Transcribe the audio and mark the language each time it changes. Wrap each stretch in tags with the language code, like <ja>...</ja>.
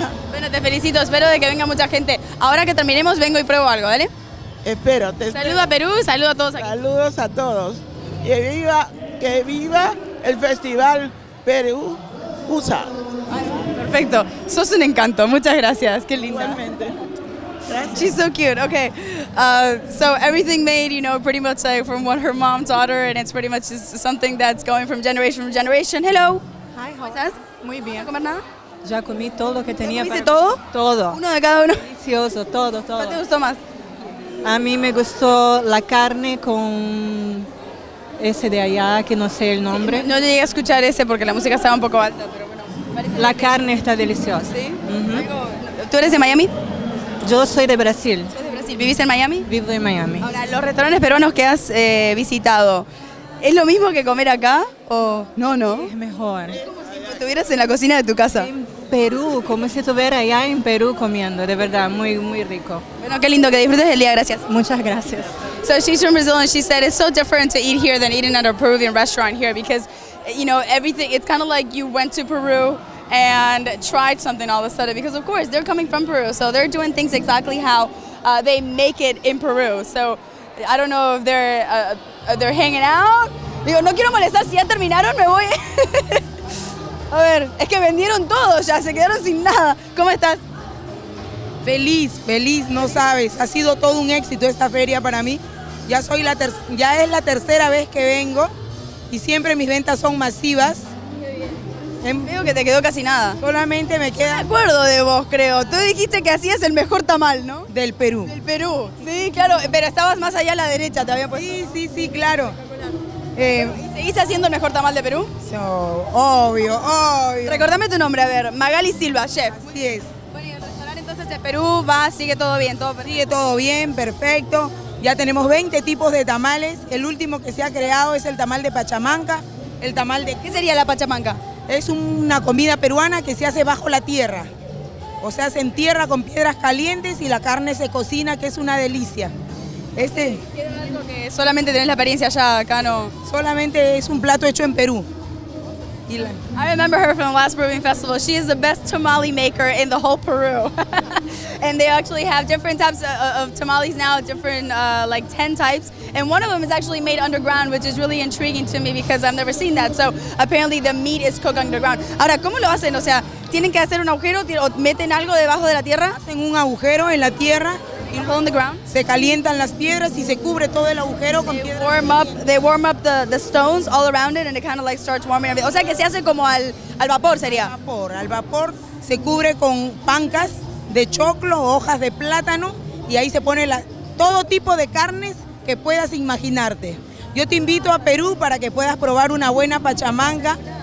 <es>Bueno, te felicito, espero de que venga mucha gente. Ahora que terminemos, vengo y pruebo algo, ¿vale? Espero, te espero. Saludo a Perú, saludo a todos aquí. Saludos a todos. Y viva, que viva el festival. Perú, USA. Perfecto, sos un encanto, muchas gracias, qué linda. Igualmente.</es> <en>She's so cute, okay. So everything made, you know, pretty much like from what her mom taught her, and it's pretty much just something that's going from generation to generation. Hello. Hi, how</en> <es>estás? Muy bien. ¿Cómo estás? Ya comí todo lo que tenía. ¿Comiste para... todo? Todo. Uno de cada uno. Delicioso, todo, todo. ¿Qué te gustó más? A mí me gustó la carne con... ese de allá, que no sé el nombre. Sí, no llegué a escuchar ese porque la música estaba un poco alta, pero bueno. La carne está deliciosa. ¿Sí? Uh-huh. ¿Tú eres de Miami? Yo soy de Brasil. ¿Soy de Brasil? ¿Vivís en Miami? Vivo en Miami. Ahora, los restaurantes peruanos que has visitado, ¿es lo mismo que comer acá o no, no? Es mejor. Es como si estuvieras en la cocina de tu casa. En Perú, como si estuviera allá en Perú comiendo, de verdad, muy, muy rico. Bueno, qué lindo, que disfrutes el día, gracias. Muchas gracias.</es> <en>So she's from Brazil and she said it's so different to eat here than eating at a Peruvian restaurant here because, you know, everything, it's kind of like you went to Peru and tried something all of a sudden because, of course, they're coming from Peru, so they're doing things exactly how they make it in Peru. So I don't know if they're hanging out.</en> <es>Digo, no quiero molestar, si ya terminaron, me voy. A ver, es que vendieron todo ya, se quedaron sin nada. ¿Cómo estás? Feliz, feliz, no sabes, ha sido todo un éxito esta feria para mí. Ya es la tercera vez que vengo y siempre mis ventas son masivas. Qué bien. Veo que te quedó casi nada. Solamente me queda... Me acuerdo de vos, creo. Tú dijiste que hacías el mejor tamal, ¿no? Del Perú. Del Perú, sí, claro, pero estabas más allá a la derecha, te había puesto. Sí, ¿no? Sí, sí, claro. ¿Seguís haciendo el mejor tamal de Perú? Sí, obvio, obvio. Recordame tu nombre, a ver, Magali Silva, chef. Así es. Perú va, sigue todo bien, todo perfecto. Sigue todo bien, perfecto. Ya tenemos 20 tipos de tamales. El último que se ha creado es el tamal de Pachamanca. El tamal de... ¿Qué sería la Pachamanca? Es una comida peruana que se hace bajo la tierra. O sea, se entierra con piedras calientes y la carne se cocina, que es una delicia. Este... ¿Quieres algo que solamente tenés la apariencia allá, acá no? Solamente es un plato hecho en Perú.</es> <en>I remember her from the last Peruvian festival. She is the best tamale maker in the whole Peru. And they actually have different types of tamales now, different like 10 types. And one of them is actually made underground, which is really intriguing to me because I've never seen that. So apparently the meat is cooked underground.</en> <es>Ahora, ¿cómo lo hacen? O sea, ¿tienen que hacer un agujero o meten algo debajo de la tierra? Hacen un agujero en la tierra.</es> <en>On the ground.</en> <es>Se calientan las piedras y se cubre todo el agujero con piedras.</es> <en>They warm up the stones all around it and it kind of like starts warming up.</en> <es>O sea que se hace como al vapor sería. Al vapor se cubre con pancas de choclo, hojas de plátano y ahí se pone todo tipo de carnes que puedas imaginarte. Yo te invito a Perú para que puedas probar una buena pachamanca.</es>